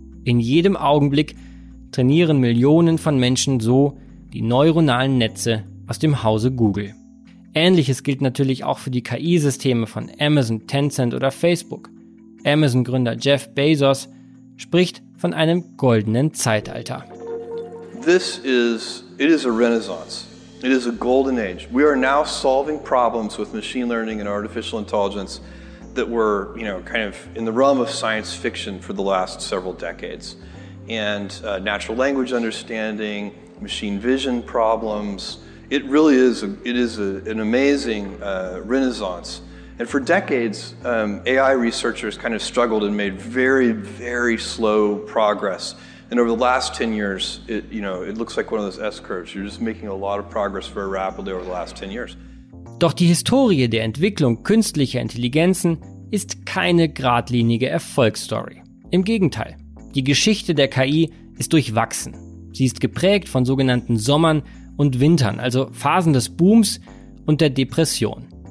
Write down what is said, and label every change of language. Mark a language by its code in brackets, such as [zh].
[de] In jedem Augenblick trainieren Millionen von Menschen so die neuronalen Netze aus dem Hause Google. Ähnliches gilt natürlich auch für die KI-Systeme von Amazon, Tencent oder Facebook. Amazon-Gründer Jeff Bezos spricht von einem goldenen Zeitalter. [en] It is a renaissance. It is a golden age. We are now solving problems with machine learning and artificial intelligence that were, you know, kind of in the realm of science fiction for the last several decades. And natural language understanding, machine vision problems. It really is an amazing renaissance. And for decades, AI researchers kind of struggled and made very, very slow progress. And over the last 10 years, it looks like one of those S-curves. You're just making a lot of progress very rapidly over the last 10 years. [de] Doch die Historie der Entwicklung künstlicher Intelligenzen ist keine geradlinige Erfolgsstory. Im Gegenteil, die Geschichte der KI ist durchwachsen. Sie ist geprägt von sogenannten Sommern und Wintern, also Phasen des Booms und der Depression.